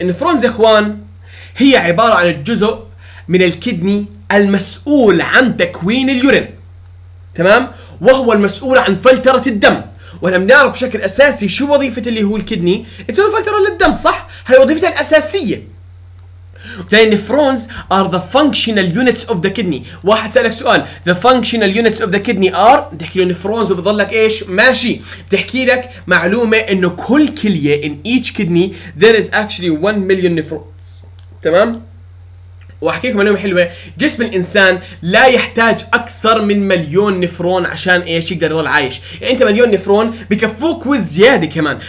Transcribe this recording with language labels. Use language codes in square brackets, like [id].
[ar] النفرونز يا اخوان هي عبارة عن الجزء من الكدني المسؤول عن تكوين اليورين، تمام؟ وهو المسؤول عن فلترة الدم. وهنا بنعرف بشكل أساسي شو وظيفة اللي هو الكدني، تسوي فلترة للدم، صح؟ هاي وظيفتها الأساسية. وبالتالي [en] النفرونز are the functional units of the kidney. [ar] واحد سألك سؤال [en] the functional units of the kidney are، [ar] بتحكي له النفرونز وبضل لك ايش؟ ماشي، بتحكي لك معلومة انه كل كلية [en] in each kidney there is actually 1 million [ar] نفرونز، تمام؟ واحكي لكم معلومه حلوه، جسم الانسان لا يحتاج اكثر من 1,000,000 نفرون عشان ايش يقدر يضل عايش، يعني انت 1,000,000 نفرون بكفوك وزياده كمان.